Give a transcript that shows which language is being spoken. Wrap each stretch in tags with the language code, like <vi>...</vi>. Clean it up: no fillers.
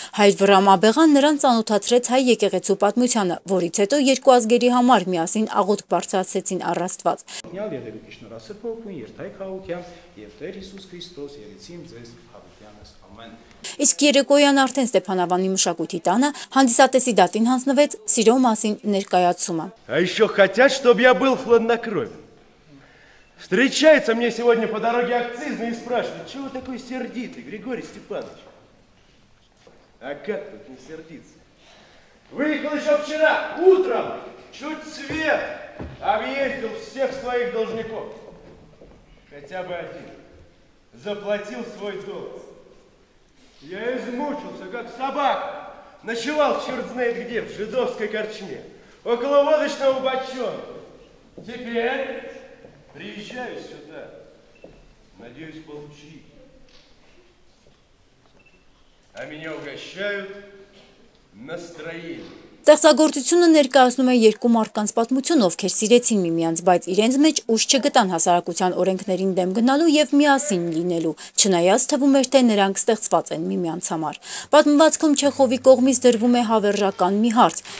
<hy>Հայ Վրամ Աբեղան նրան ծանոթացրեց հայ եկեղեցու պատմությանը, որից հետո երկու ազգերի համար միասին աղոթք բարձրացրեցին առաստված։ Իսկ երեկոյան արդեն Ստեփան Ավանի մշակույթի տանը հանդիսատեսի դատին հանձնվեց սիրո մասին ներկայացումը։</hy> <ru>Ещё хотят, чтобы я был хладнокровен. Встречается мне сегодня по дороге акцизный и спрашивает: "Чего такой сердитый, Григорий Степанович?" А как тут не сердиться? Выехал ещё вчера утром, чуть свет, объездил всех своих должников. Хотя бы один заплатил свой долг. Я измучился, как собака. Ночевал черт знает где, в жидовской корчме, около водочного бочонка. Теперь приезжаю сюда, надеюсь получить. А меня угощают настроение.</ru> <hy>Ստեղծագործությունը ներկայացնում է երկու մարդկանց պատմություն, ովքեր սիրեցին միմյանց, բայց իրենց մեջ ուշ չգտան հասարակության օրենքներին դեմ գնալու և միասին լինելու, չնայած թվում էր, թե նրանք ստեղծված են միմյանց համար։ Պատմվածքում Չեխովի կողմից դրվում է հավերժական մի հարց.</hy>